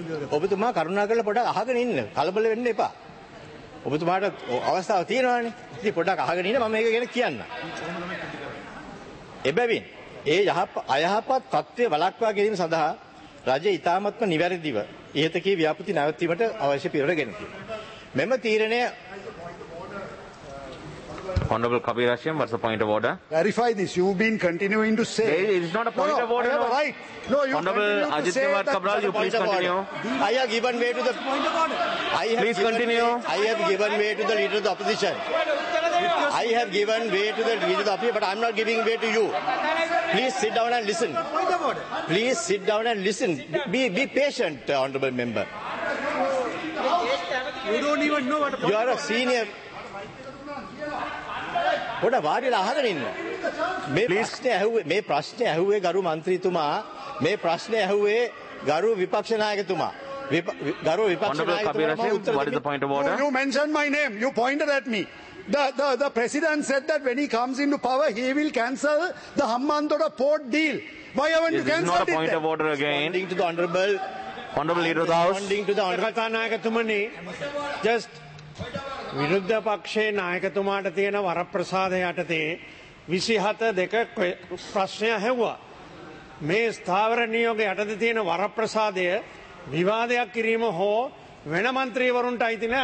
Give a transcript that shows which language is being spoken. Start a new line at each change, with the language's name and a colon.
Sinhala: ඔබතුමා කරුණා කරලා පොඩ්ඩක් අහගෙන ඉන්න. කලබල වෙන්න එපා. ඔබතුමාට අවස්ථාව තියෙනවානේ. ඉතින් පොඩ්ඩක් අහගෙන ඉන්න මම ඒක ගැන කියන්න. එබැවින් ඒ අයහපත් තත්ත්වය වළක්වා ගැනීම සඳහා රජය ඉතාමත්ම නිවැරදිව ඉහතකී ව්‍යාපෘති නැවැත්වීමට අවශ්‍ය පියවර ගෙන තිබේ. මෙම තීරණය
English: Honorable Kabir Rashim, what's the point of order? Clarify this. You've been continuing to say... It is not a point of order. No, right. No, you Honorable Ajit Kumar Kabral, you please continue. I have given way to the... Point of order. Please continue. I have given way to the leader of the opposition. I have given way to the leader of the opposition, but I'm not giving way to you. Please sit down and listen. Point of order. Please sit down and listen. Be patient, Honorable Member. You don't even know what... You are a senior...
Sinhala: පොඩ වාඩිලා අහගෙන ඉන්න මේ ප්‍රශ්නේ ඇහුවේ ගරු මන්ත්‍රීතුමා මේ ප්‍රශ්නේ ඇහුවේ ගරු විපක්ෂ නායකතුමා ගරු විපක්ෂ නායකතුමා
English: you mentioned my name you pointed at me the president said that when he comes into power he will cancel the Hammanthoda port deal why haven't you cancelled it point of order again to the honorable leader of the house responding to the honorable
Sinhala: නායකතුමනි just විරුද්ධ පක්ෂයේ නායකතුමාට තියෙන වරප්‍රසාද යටතේ 27/2 ප්‍රශ්නය ඇහුවා. මේ ස්ථාවර නියෝග යටතේ තියෙන වරප්‍රසාදය විවාදයක් කිරීම හෝ වෙන මන්ත්‍රීවරුන්ට අයිති නැහැ.